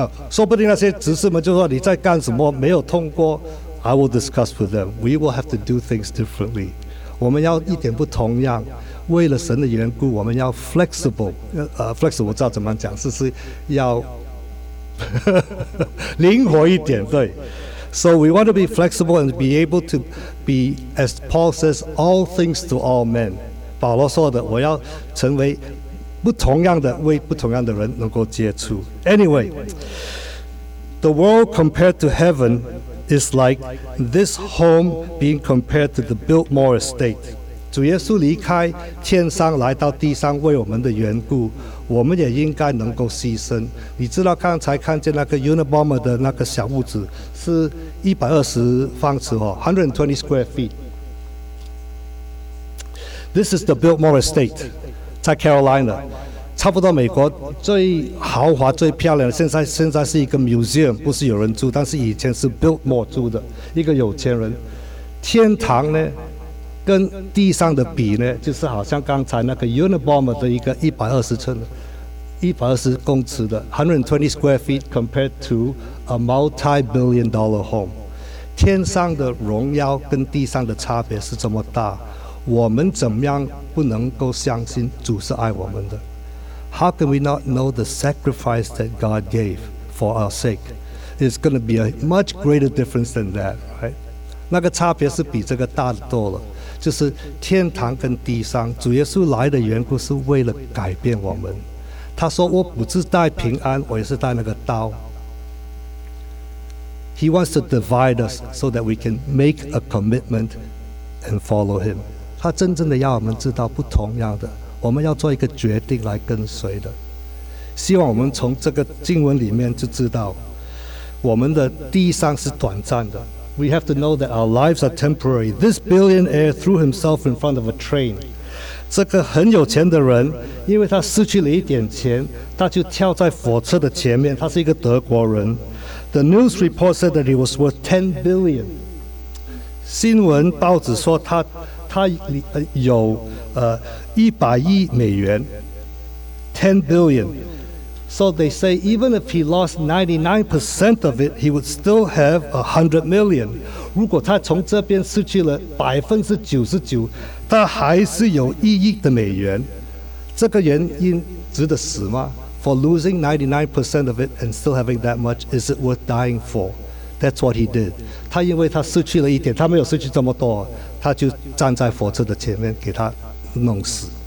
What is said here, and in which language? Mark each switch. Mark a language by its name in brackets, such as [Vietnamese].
[Chinese] 说不定那些执事们就说你在干什么？没有通过。 [English] I will discuss with them. We will have to do things differently. [Chinese] 我们要一点不同样。为了神的缘故，我们要 flexible. Flexible 我知道怎么讲，是要灵活一点。对。 [English] So we want to be flexible and be able to be, as Paul says, all things to all men. [Chinese] 保罗说的，我要成为不同样的，为不同样的人能够接触。 [English] Anyway, the world compared to heaven is like this home being compared to the Biltmore estate. [Chinese] 主耶稣离开天上来到地上为我们的缘故，我们也应该能够牺牲。你知道刚才看见那个 Unabomber 的那个小屋子是120方尺哦 ， [English] 120 square feet. This is the Biltmore Estate, 在 Carolina, [Chinese] 差不多美国最豪华、最漂亮的。现在是一个 museum, 不是有人住，但是以前是 Biltmore 住的一个有钱人。天堂呢，跟地上的比呢，就是好像刚才那个 Unabomber 的一个120公尺的 [English] 120 square feet compared to a multi-billion-dollar home. [Chinese] 天上的荣耀跟地上的差别是这么大。我们怎么样不能够相信主是爱我们的？ [English] How can we not know the sacrifice that God gave for our sake? It's going to be a much greater difference than that, right? [Chinese] 那个差别是比这个大多了，就是天堂跟地上，主耶稣来的缘故是为了改变我们。他说我不是带平安，我也是带那个刀。 He wants to divide us so that we can make a commitment and follow him. 他真正的要我们知道不同样的，我们要做一个决定来跟随的。希望我们从这个经文里面就知道，我们的地上是短暂的。 [English] We have to know that our lives are temporary. This billionaire threw himself in front of a train. [Chinese] 这个很有钱的人，因为他失去了一点钱，他就跳在火车的前面。他是一个德国人。 [English] The news report said that he was worth $10 billion. [Chinese] 新闻报纸说他有100亿美元 [English] $10 billion. So they say even if he lost 99% of it, he would still have $100 million. [Chinese] 如果他从这边失去了99%，他还是有1亿的美元。这个原因值得死吗? [English] For losing 99% of it and still having that much, is it worth dying for? That's what he did. [Chinese] 他因为他失去了一点，他没有失去这么多，他就站在火车的前面给他弄死。